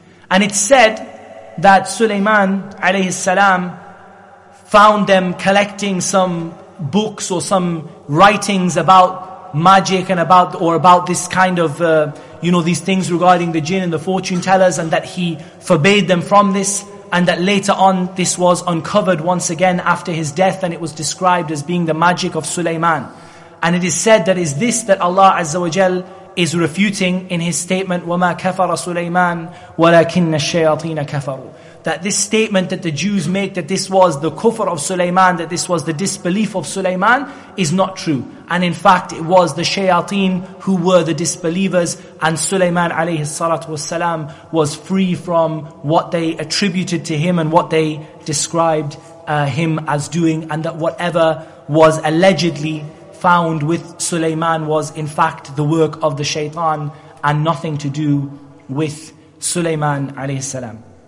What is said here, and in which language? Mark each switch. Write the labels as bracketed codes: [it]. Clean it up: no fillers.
[en] And it's said that Sulaiman alayhi salam found them collecting some books or some writings about magic and about this kind of, these things regarding the jinn and the fortune tellers, and that he forbade them from this, and that later on this was uncovered once again after his death, and it was described as being the magic of Sulaiman. And it is said that is this that Allah Azza wa Jal is refuting in his statement, [ar] وَمَا كَفَرَ سُلَيْمَانَ وَلَكِنَّ الشَّيَاطِينَ كَفَرُوا. [en] That this statement that the Jews make, that this was the kufr of Sulaiman, that this was the disbelief of Sulaiman, is not true. And in fact, it was the shayateen who were the disbelievers, and Sulaiman alayhi salatu wasalam was free from what they attributed to him and what they described him as doing, and that whatever was allegedly found with Sulaiman was in fact the work of the shaytan and nothing to do with Sulaiman alayhi salam.